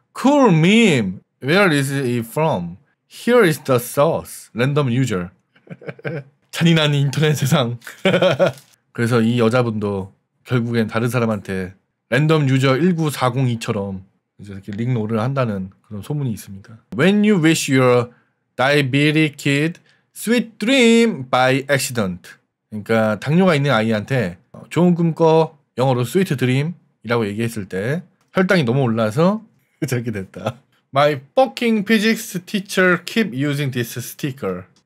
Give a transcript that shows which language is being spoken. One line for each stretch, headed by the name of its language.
English: Cool meme. Where is it from? Here is the source. Random user.
Korean: 잔인한 인터넷 세상. 그래서 이 여자분도 결국엔 다른 사람한테 랜덤 유저 1940이처럼 이제 이렇게 링롤을 한다는 그런 소문이 있습니다.
English: When you wish your diabetic kid sweet dream by accident.
Korean: 그러니까 당뇨가 있는 아이한테 좋은 꿈 꿔 영어로
English: sweet dream
Korean: 이라고 얘기했을 때 혈당이 너무 올라서 저렇게 됐다.
English: My fucking physics teacher keep using this sticker.